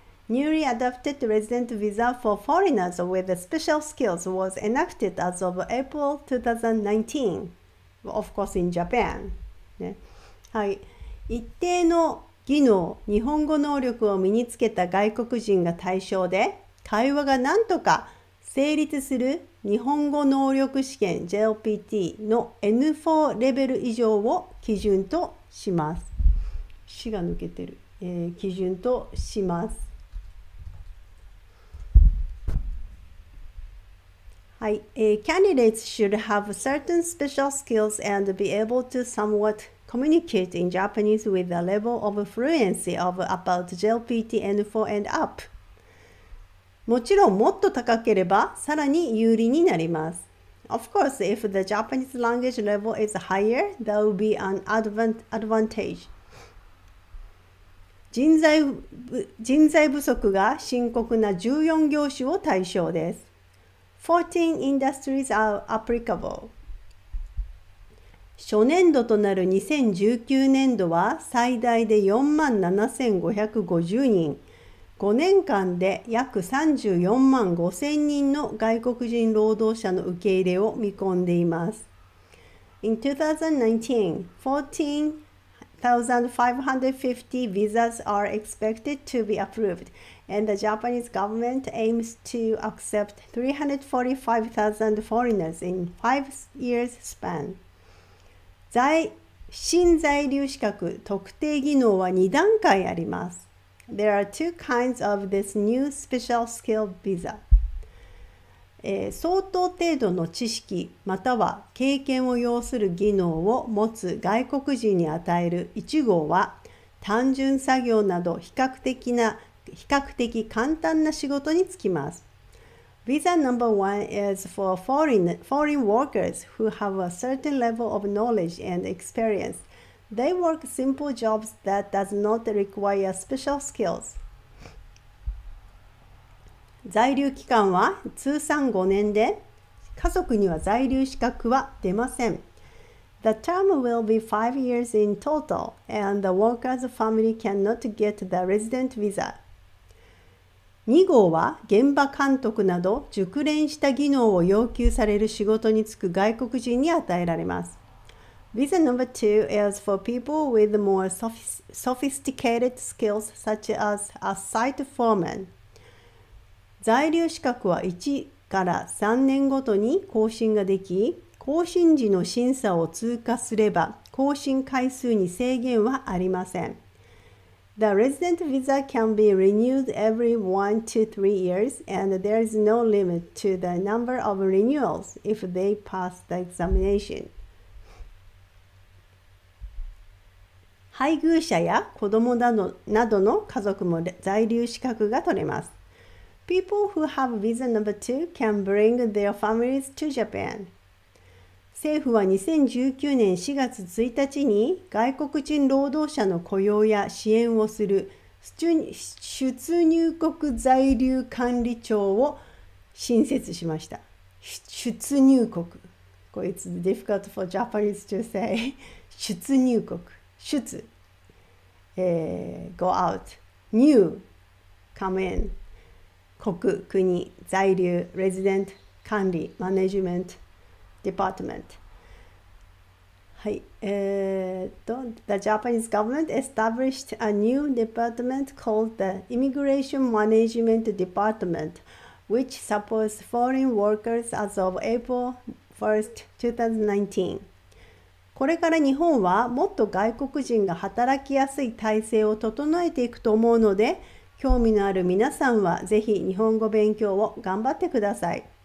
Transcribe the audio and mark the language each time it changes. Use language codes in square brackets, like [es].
[en] Newly adapted resident visa for foreigners with special skills was enacted as of April 2019, of course in Japan、 [ja] ね、はい、一定の技能、日本語能力を身につけた外国人が対象で、会話がなんとか成立する日本語能力試験 JLPT の N4 レベル以上を基準とします。しが抜けてる、基準とします。 [en] はい、Candidates should have certain special skills and be able to somewhat communicate in Japanese with a level of fluency of about JLPT N4 and up。 [ja] もちろん、もっと高ければ、さらに有利になります。 [en] Of course, if the Japanese language level is higher, that will be an advantage. [ja] 人材不足が深刻な14業種を対象です。 [en] 14 industries are applicable. [ja] 初年度となる2019年度は、最大で4万7,550人。 5年間で約34万5000人の外国人労働者の受け入れを見込んでいます。 [en] In 2019, 14,550 visas are expected to be approved, and the Japanese government aims to accept 345,000 foreigners in 5 years span. [ja] 新在留資格特定技能は2段階あります。 [en] There are two kinds of this new special skill visa。 [ja] 相当程度の知識または経験を要する技能を持つ外国人に与える1号は、単純作業など比較的簡単な仕事に就きます。 [en] Visa number one is for foreign workers who have a certain level of knowledge and experience. They work simple jobs that does not require special skills。 [ja] 在留期間は通算5年で、家族には在留資格は出ません。 [en] The term will be 5 years in total, and the worker's family cannot get the resident visa。 [ja] 2号は、現場監督など熟練した技能を要求される仕事に就く外国人に与えられます。 [en] Visa number two is for people with more sophisticated skills, such as a site foreman。 [ja] 在留資格は1から3年ごとに更新ができ、更新時の審査を通過すれば、更新回数に制限はありません。 [en] The resident visa can be renewed every 1 to 3 years, and there is no limit to the number of renewals if they pass the examination。 [ja] 配偶者や子供などの家族も在留資格が取れます。 [en] People who have visa number two can bring their families to Japan。 [ja] 政府は2019年4月1日に、外国人労働者の雇用や支援をする出入国在留管理庁を新設しました。 [en] 出入国。これ、It's difficult for Japanese to say 出入国。出。 go out, new, come in, [ja] 国、国、在留、resident、管理、マネジメント、デパートメント。 [en] はい、The Japanese government established a new department called the Immigration Management Department, which supports foreign workers as of April 1st, 2019。 [ja] これから日本はもっと外国人が働きやすい体制を整えていくと思うので、興味のある皆さんはぜひ日本語勉強を頑張ってください。